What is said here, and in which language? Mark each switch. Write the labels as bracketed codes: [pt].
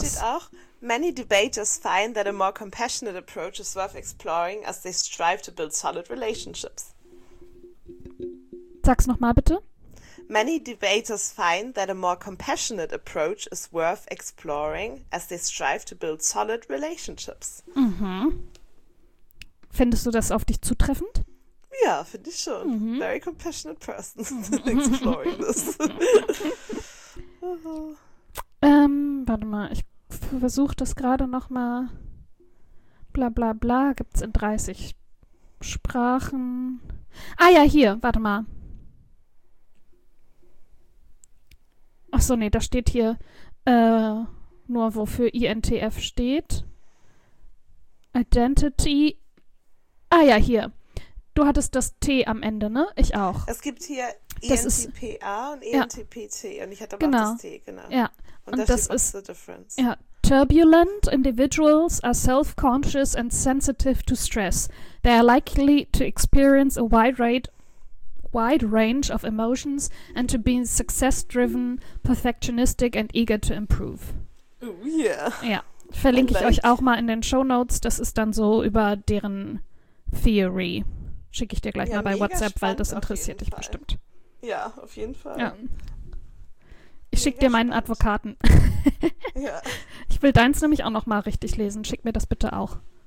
[de] Steht auch, [en] many debaters find that a more compassionate approach is worth exploring as they strive to build solid relationships. [de] Sag's nochmal bitte. [en] Many debaters find that a more compassionate approach is worth exploring as they strive to build solid relationships. Mhm. [de] Findest du das auf dich zutreffend? Ja, finde ich schon. [en] Mhm. Very compassionate person. Exploring this. [de] Warte mal, ich versuche das gerade noch mal. Bla bla bla, gibt es in 30 Sprachen. Ah ja, hier, warte mal. Ach so, nee, da steht hier nur, wofür INTF steht. Identity. Ah ja, hier. Du hattest das T am Ende, ne? Ich auch. Es gibt hier ENTPA und ENTPT. Ja. Und ich hatte aber auch das T, genau. Ja. Und das ist [en] the difference. Ja, turbulent individuals are self-conscious and sensitive to stress. They are likely to experience a wide range of emotions and to be success-driven, perfectionistic and eager to improve. Oh, yeah. [de] Ja, verlinke ich euch auch mal in den Shownotes. Das ist dann so über deren Theory. Schicke ich dir gleich mal bei WhatsApp, weil das interessiert dich bestimmt. Ja, auf jeden Fall. Ja. Ich schicke dir meinen Advokaten. Ja. Ich will deins nämlich auch noch mal richtig lesen. Schick mir das bitte auch.